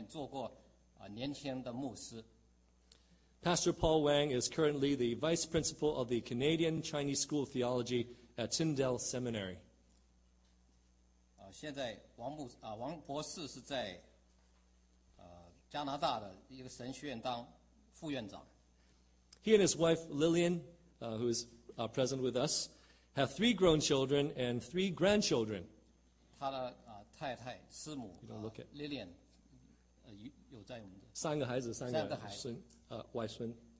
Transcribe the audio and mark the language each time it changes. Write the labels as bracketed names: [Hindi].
[Chinese] 很凑巧的，王牧师曾经在我们的顾问牧师的原来在旧金山的一个教会里面做过年轻的牧师。 [English] Pastor Paul Wang is currently the Vice Principal of the Canadian Chinese School of Theology at Tyndale Seminary. [Chinese] 现在王博士是在加拿大的一个神学院当副院长。 [English] He and his wife Lillian, who is present with us, have three grown children and three grandchildren. [Chinese] 他的太太、师母 Lillian 有在我们的三个孩子，三个外孙女。